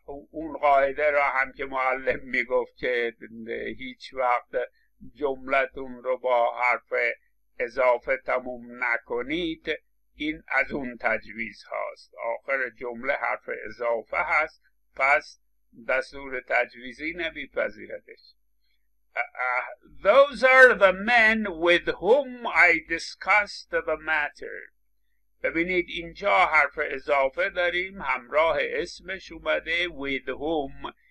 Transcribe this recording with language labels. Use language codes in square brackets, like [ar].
[fa] اون قاعده را هم که معلم میگفت که هیچ وقت جملتون رو با حرف اضافه تموم نکنید، این از اون تجویز هاست. آخر جمله حرف اضافه هست، پس دستور تجویزی نمیپذیرتش. [en] Those are the men with whom I discussed the matter. [fa] ببینید اینجا حرف اضافه داریم، همراه اسمش اومده [en] with whom.